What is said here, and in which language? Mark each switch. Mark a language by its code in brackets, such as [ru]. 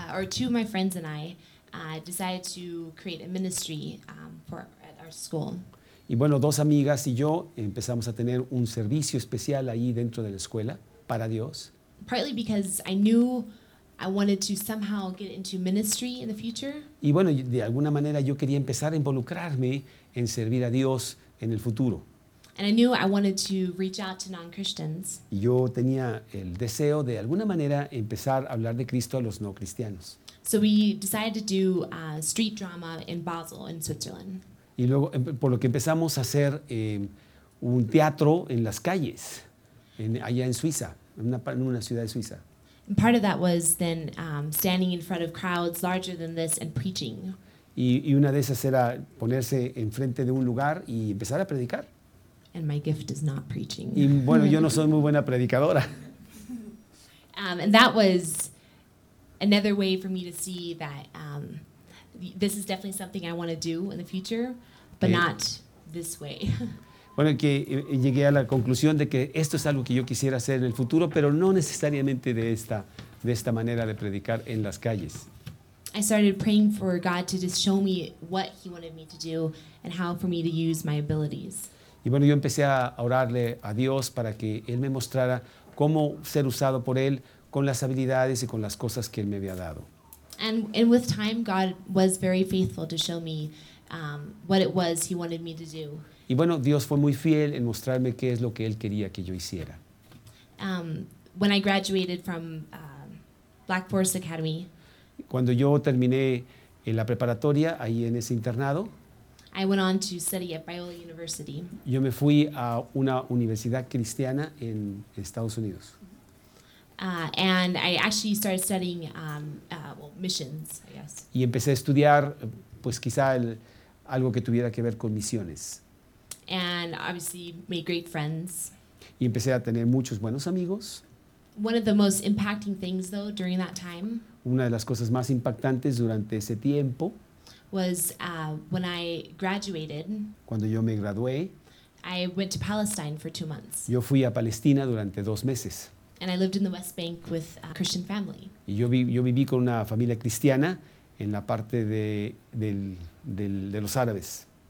[en] Two of my friends and I decided to create a ministry at our school. [es] Y bueno, dos amigas y yo empezamos a tener un servicio especial ahí dentro de la escuela para Dios. [en] Partly because I knew I wanted to somehow get into ministry in the future. [es] Y bueno, de alguna manera yo quería empezar a involucrarme en servir a Dios en el futuro. [en] And I knew I wanted to reach out to non-Christians. [es] Y yo tenía el deseo de alguna manera empezar a hablar de Cristo a los no cristianos. [en] So we decided to do street drama in Basel in Switzerland. [es] Y luego por lo que empezamos a hacer un teatro en las calles allá en Suiza, en una ciudad de Suiza. [en] Part of that was then standing in front of crowds larger than this and preaching. [es] Y una de esas era ponerse enfrente de un lugar y empezar a predicar. [en] And my gift is not preaching. [es] Y bueno, yo no soy muy buena predicadora. [en] And that was another way for me to see that this is definitely something I want to do in the future, but not this way. [es] Bueno, que llegué a la conclusión de que esto es algo que yo quisiera hacer en el futuro, pero no necesariamente de esta manera de predicar en las calles. [en] I started praying for God to just show me what He wanted me to do and how for me to use my abilities. [es] Y bueno, yo empecé a orarle a Dios para que Él me mostrara cómo ser usado por Él con las habilidades y con las cosas que Él me había dado. [en] And with time, God was very faithful to show me what it was He wanted me to do. [es] Y bueno, Dios fue muy fiel en mostrarme qué es lo que Él quería que yo hiciera. [en] When I graduated from Black Forest Academy, [es] cuando yo terminé en la preparatoria, ahí en ese internado, [en] I went on to study at Biola University. [es] Yo me fui a una universidad cristiana en Estados Unidos. [en] And I actually started studying missions, I guess. [es] Y empecé a estudiar, pues quizá algo que tuviera que ver con misiones. [en] And obviously made great friends. [es] Y empecé a tener muchos buenos amigos. [en] One of the most impacting things though during that time. [es] Una de las cosas más impactantes durante ese tiempo. [en] Was when I graduated. [es] Cuando yo me gradué. [en] I went to Palestine for 2 months. [es] Yo fui a Palestina durante 2 meses. [en] And I lived in the West Bank with a Christian family. [es] Y yo viví con una familia cristiana en la parte de los árabes.